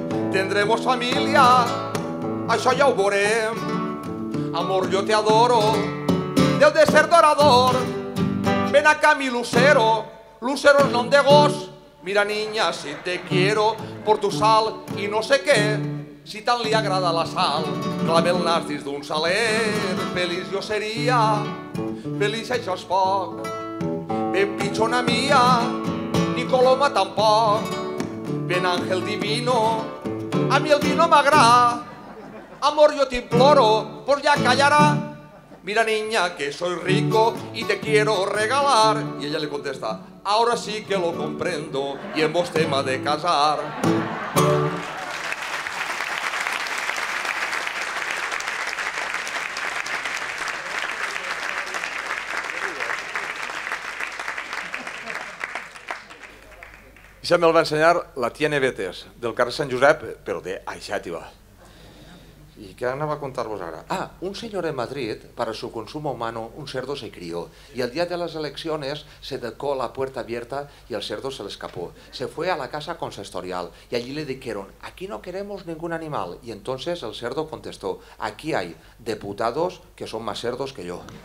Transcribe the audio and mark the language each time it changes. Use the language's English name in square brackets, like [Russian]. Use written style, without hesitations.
[Spanish] Tendremos familia, [Catalan] això ja ho veurem. Amor, jo te adoro, deu de ser dorador. [Spanish] Ven acá mi lucero, lucero [Catalan] el nom de gos. [Spanish] Mira niña, si te quiero, por tu sal y no sé qué. [Catalan] Si tant li agrada la sal, clave el nas dins d'un saler. Feliç jo seria, feliç això és poc. Ben pitjona mia, ni coloma tampoc. Ben àngel divino, a mi el vino m'agrada. Amor, jo t'imploro, pues ja callarà. [Spanish] Mira, niña, que soy rico y te quiero regalar. Y ella le contesta: ahora sí que lo comprendo y en vos tema de casar. [Catalan] Això me'l va ensenyar la tia Nevetes, del carrer Sant Josep, però de Aixàtiva. I què anava a contar-vos ara? [Spanish] Ah, un senyor en Madrid, para su consumo humano, un cerdo se crió. [Catalan] I el dia de les eleccions se decó [Spanish] la puerta abierta [Catalan] i el cerdo se l'escapó. [Spanish] Se fue a la casa consistorial i allí le dijeron: aquí no queremos ningún animal. I entonces el cerdo contestó: aquí hay diputados que son más cerdos que yo.